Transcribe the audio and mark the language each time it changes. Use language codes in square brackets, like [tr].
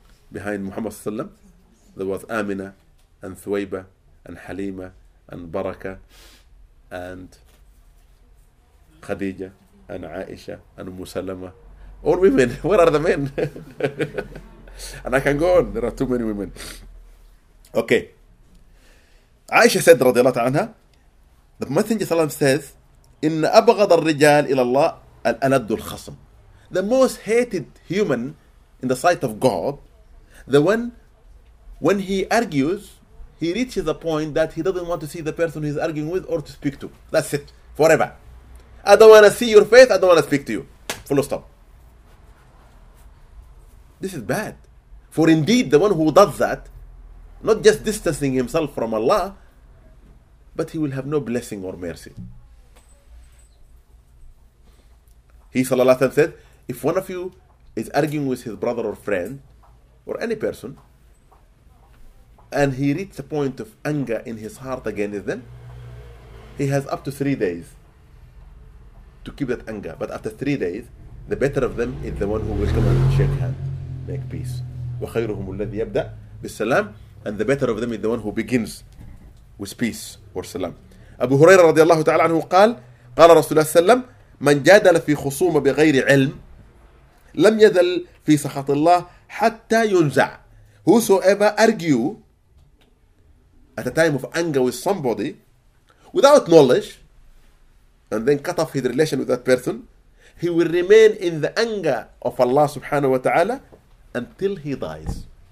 [en] Behind Muhammad Sallam, there was Amina, and Thuwaiba, and Halima, and Baraka, and Khadija, and Aisha, and Umm Salama. All women, where are the men? And I can go on, there are too many women. Okay. Aisha said, [ar] رضي الله عنها, [en] the Messenger of Allah says, [ar] إن أبغض الرجال إلى الله الألد الخصم. [en] The most hated human in the sight of God, the one, when he argues, he reaches a point that he doesn't want to see the person he's arguing with or to speak to. That's it. Forever. I don't want to see your face. I don't want to speak to you. Full stop. This is bad. For indeed, the one who does that, not just distancing himself from Allah, but he will have no blessing or mercy. He, sallallahu alayhi wa sallam, said, if one of you is arguing with his brother or friend, or any person, and he reached a point of anger in his heart against them, he has up to 3 days to keep that anger. But after 3 days, the better of them is the one who will come and shake hands, make peace. [ar] وَخَيْرُهُمُ الَّذِي يَبْدَأْ بِالسَّلَامِ. [en] And the better of them is the one who begins with peace or salam. [ar] Abu Huraira رضي الله تعالى عنه قال, قال رسول الله صلى الله عليه وسلم, من جادل في خصومة بغير علم لم يذل في سخط الله حتى ينزع. [en] Whosoever argue at a time of anger with somebody without knowledge and then cut off his relation with that person, he will remain in the anger of Allah subhanahu wa ta'ala until he dies.